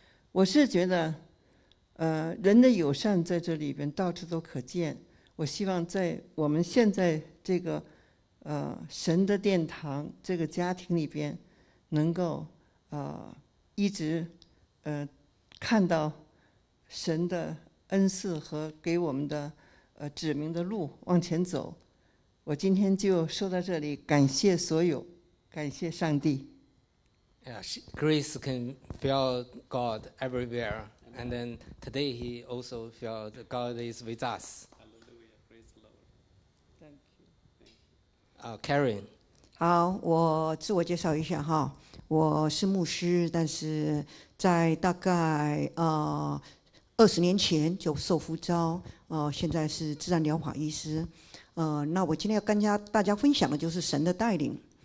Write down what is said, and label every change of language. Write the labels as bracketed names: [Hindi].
[Chinese] 我是觉得人的友善在这里边到处都可见，我希望在我们现在这个神的殿堂这个家庭里边能够一直看到神的恩赐和给我们的指明的路往前走。我今天就说到这里，感谢所有，感谢上帝。 [English] Yeah, Grace can feel God everywhere, and then today he also feels that God is with us. Hallelujah, praise the Lord. Thank you. Karen. [Chinese] 好，我自我介绍一下哈，我是牧师，但是在大概20年前就受呼召，现在是自然疗法医师。那我今天要跟大家分享的就是神的带领。